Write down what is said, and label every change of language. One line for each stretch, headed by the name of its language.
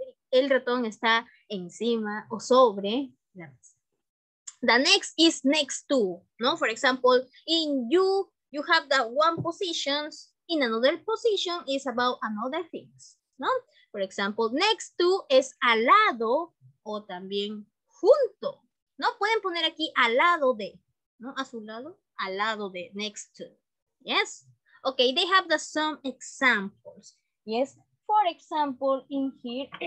Spanish: El ratón está encima o sobre la mesa.
English: The next is next to, ¿no? For example, in you have the one positions, in another position is about another things, ¿no? For example,
Spanish: next to es al lado o también junto, ¿no? Pueden poner aquí al lado de, ¿no? A su lado, al lado de, next to, ¿yes?
English: Okay, they have some examples. Yes, for example, in here,